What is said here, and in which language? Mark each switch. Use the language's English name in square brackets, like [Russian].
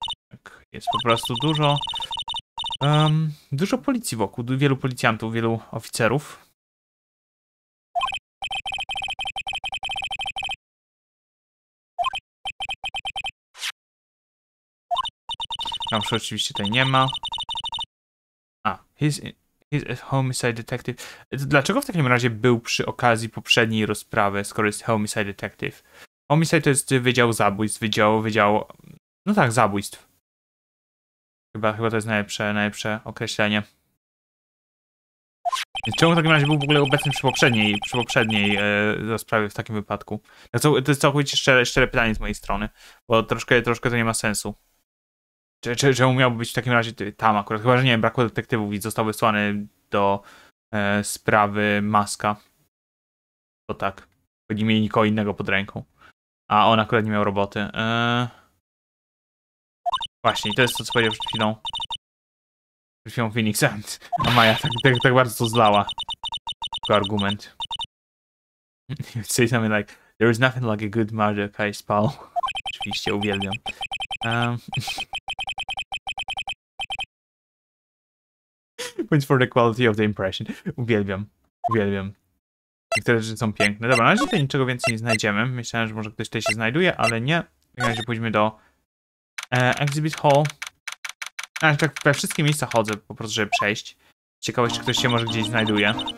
[Polish] Tak, jest po prostu dużo... dużo policji wokół, wielu policjantów, wielu oficerów. Tam już oczywiście tutaj nie ma. [English] A, he's a homicide detective. [Polish] Dlaczego w takim razie był przy okazji poprzedniej rozprawy, skoro jest homicide detective? Homicide to jest wydział zabójstw, wydział... No tak, zabójstw. Chyba to jest najlepsze określenie. Więc czemu w takim razie był w ogóle obecny przy poprzedniej rozprawie w takim wypadku? To jest całkowicie szczere pytanie z mojej strony, bo troszkę to nie ma sensu. Czemu miałby być w takim razie tam akurat? Chyba, że nie wiem, brakło detektywów i został wysłany do sprawy Maska. Bo tak, bo nie mieli nikogo innego pod ręką. A on akurat nie miał roboty. Właśnie, to jest to, co powiedział przed chwilą. Przed chwilą Phoenix Sands. A Maja tak bardzo to zlała. To argument. [English] You say something like, there is nothing like a good murder case, pal. [Polish] Oczywiście, uwielbiam. [English] Points for the quality of the impression. [Polish] Uwielbiam. Niektóre rzeczy są piękne. Dobra, na razie tutaj niczego więcej nie znajdziemy. Myślałem, że może ktoś tutaj się znajduje, ale nie. W takim razie pójdźmy do Exhibit Hall. A, tak we wszystkie miejsca chodzę, po prostu, żeby przejść. Ciekawość, czy ktoś się może gdzieś znajduje.